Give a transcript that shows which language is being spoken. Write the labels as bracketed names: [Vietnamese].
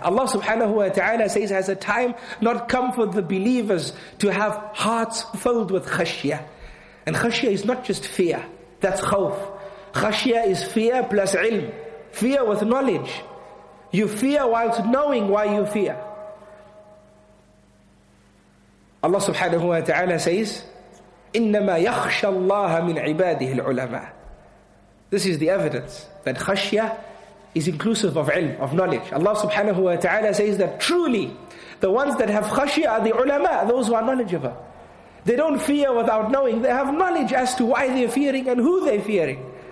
[English] Allah subhanahu wa ta'ala says, has a time not come for the believers to have hearts filled with khashya. And khashya is not just fear, that's khawf. Khashya is fear plus ilm, fear with knowledge. You fear whilst knowing why you fear. Allah subhanahu wa ta'ala says, [Arabic] إِنَّمَا يَخْشَى اللَّهَ مِنْ عِبَادِهِ الْعُلَمَاءِ. [English] This is the evidence that khashya is inclusive of ilm, of knowledge. Allah subhanahu wa ta'ala says that truly, the ones that have khashya are the ulama, those who are knowledgeable. They don't fear without knowing. They have knowledge as to why they're fearing and who they're fearing.